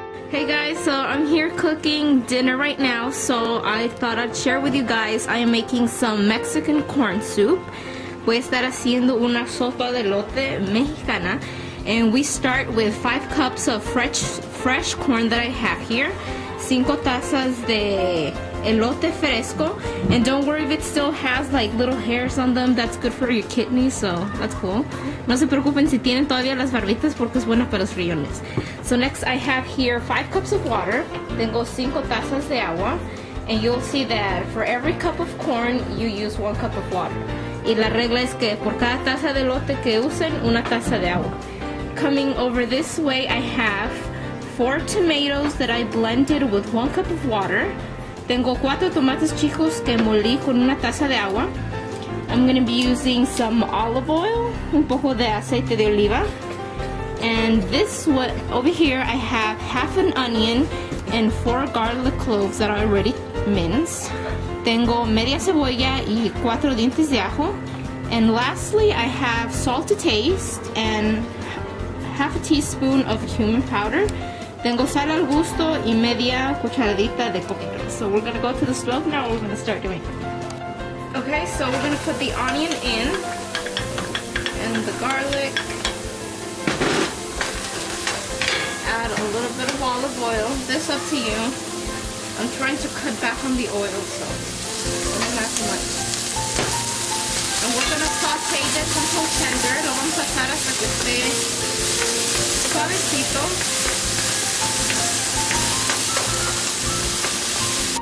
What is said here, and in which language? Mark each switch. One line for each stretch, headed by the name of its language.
English: Hey guys, so I'm here cooking dinner right now, so I thought I'd share with you guys. I am making some Mexican corn soup.
Spanish: Voy a estar haciendo una sopa de elote mexicana.
English: And we start with 5 cups of fresh corn that I have here.
Spanish: 5 tazas de elote fresco.
English: And don't worry if it still has like little hairs on them. That's good for your kidneys, so that's cool.
Spanish: No se preocupen si tienen todavía las barbitas porque es buena para los riñones.
English: So next I have here 5 cups of water.
Spanish: Tengo 5 tazas de agua.
English: And you'll see that for every cup of corn, you use 1 cup of water.
Spanish: Y la regla es que por cada taza de elote que usen, 1 taza de agua.
English: Coming over this way, I have 4 tomatoes that I blended with 1 cup of water.
Spanish: Tengo 4 tomates chicos que molí con 1 taza de agua.
English: I'm going to be using some olive oil,
Spanish: un poco de aceite de oliva.
English: And this one, over here, I have 1/2 onion and 4 garlic cloves that I already minced.
Spanish: Tengo media cebolla y 4 dientes de ajo.
English: And lastly, I have salt to taste and 1/2 teaspoon of cumin powder.
Spanish: Tengo sal al gusto y media cucharadita de coquito.
English: So we're gonna go to the stove now, we're gonna start doing. Okay, so we're gonna put the onion in and the garlic. Add a little bit of olive oil. This up to you. I'm trying to cut back on the oil, so not too much. And we're gonna saute this until tender.
Spanish: Lo vamos a pasar hasta que esté suavecito.